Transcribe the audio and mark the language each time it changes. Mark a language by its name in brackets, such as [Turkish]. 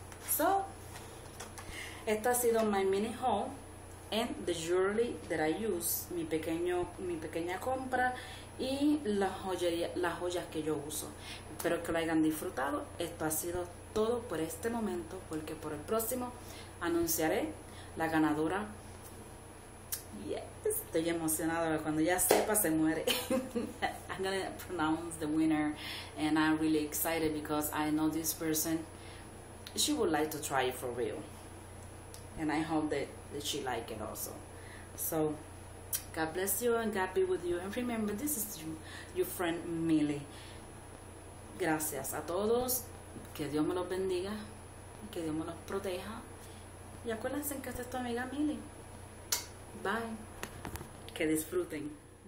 [Spanish] So, esto ha sido [English] my mini haul and the jewelry that I use, [Spanish] mi pequeña compra y las joyas que yo uso. Espero que lo hayan disfrutado. Esto ha sido todo por este momento, porque por el próximo anunciaré la ganadora. Yes, estoy emocionada, cuando ya sepa se muere. [English] I'm gonna pronounce the winner and I'm really excited because I know this person, she would like to try it for real, and I hope that she like it also. So God bless you and God be with you, and remember, this is your friend Millie. [Spanish] Gracias a todos, que Dios me los bendiga, que Dios me los proteja, y acuérdense que esta es tu amiga Millie. Bye. Que disfruten.